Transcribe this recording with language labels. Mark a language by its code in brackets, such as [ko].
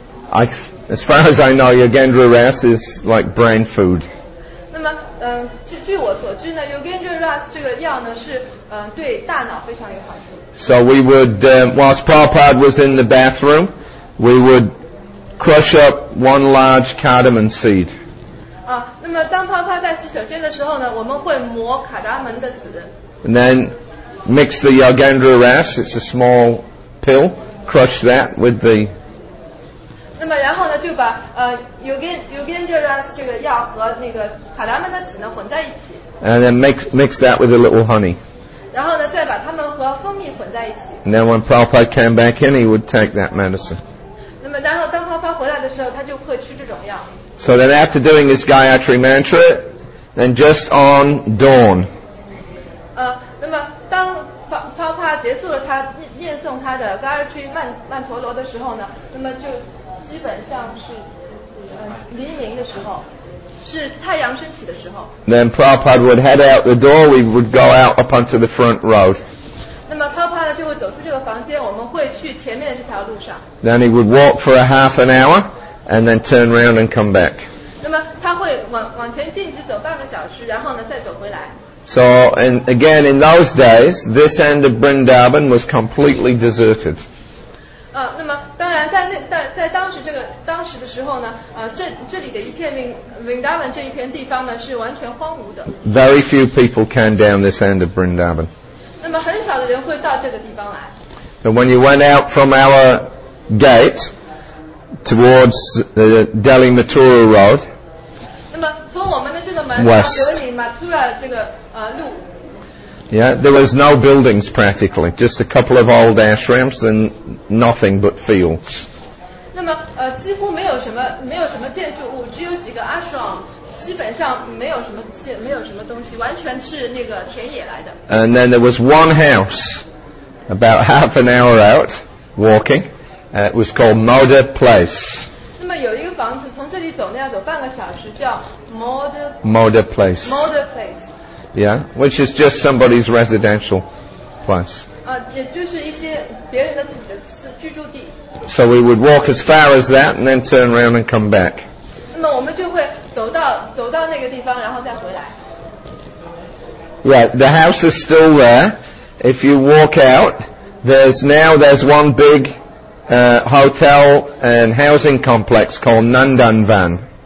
[en] As far as I know, Yogendra Ras is like brain food. [zh] 那么据我所知呢 ，Yogendra Ras 这个药呢是对大脑非常有好处。 [en] So we would, whilst Prabhupada was in the bathroom, we would crush up one large cardamom seed. [zh] 那么当帕帕在洗手间的时候呢，我们会磨卡达门的籽。 [en] And then mix the Yogendra Ras, it's a small pill, crush that with the. [zh] 那么然后呢，就把Yogendra Ras 这个药和那个卡达门的籽呢混在一起。 [en] And then mix that with a little honey. [zh] 然后呢，再把它们和蜂蜜混在一起。 [en] And then when Prabhupada came back in, he would take that medicine. [zh] 那么然后当帕帕回来的时候，他就会吃这种药。 [en] So then after doing his Gayatri Mantra, then just on dawn. [zh] 那么当帕结束了他念诵他的 Gayatri 曼陀罗的时候呢，那么就基本上是黎明的时候。是太阳升起的时候。 [en] Then Prabhupada would head out the door. We would go out up onto the front road. [zh] 那么 Prabhupada 就会走出这个房间，我们会去前面的这条路上。 [en] Then he would walk for a half an hour, and then turn around and come back. [zh] 那么他会往前进，只走半个小时，然后呢再走回来。 [en] So and again in those days, this end of Vrindavan was completely deserted. [zh] 那么当然在当时这个当时的时候呢，这里的一片Vrindavan这一片地方呢是完全荒芜的。 [en] Very few people came down this end of Vrindavan. [zh] 那么很少的人会到这个地方来。 [en] But when you went out from our gate towards the Delhi Mathura Road. [zh] 那么从我们的这个门到德里马图拉这个路。 [en] Yeah, there was no buildings practically, just a couple of old ashrams and nothing but fields. [zh] 那么几乎没有什么建筑物，只有几个 ashram， 基本上没有什么东西，完全是那个田野来的。 [en] And then there was one house, about half an hour out, walking. It was called Moda Place. [zh] 那么有一个房子从这里走呢要走半个小时，叫 Moda. [en] Moda Place. Moda Place. Yeah, which is just somebody's residential place. [zh] 也就是一些别人的自己的居住地。 [en] So we would walk as far as that and then turn around and come back. [zh] 那么我们就会走到那个地方，然后再回来。 [en] Yeah, the house is still there. If you walk out, there's one big hotel and housing complex called Nandanvan.